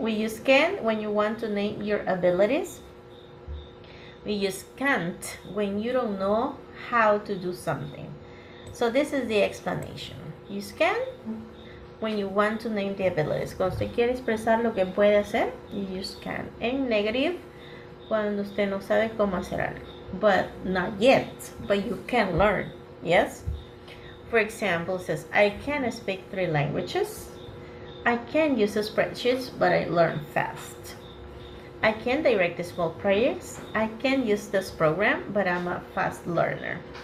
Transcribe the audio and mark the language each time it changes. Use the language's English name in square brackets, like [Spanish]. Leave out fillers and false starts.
[English] We use can when you want to name your abilities. We use can't when you don't know how to do something. So this is the explanation. Use can when you want to name the abilities. [Spanish] Cuando usted quiere expresar lo que puede hacer, you use can. En negative, cuando usted no sabe cómo hacer algo. [English] But not yet, but you can learn, yes? For example, it says, I can speak 3 languages. I can use a spreadsheet, but I learn fast. I can direct the small projects. I can use this program, but I'm a fast learner.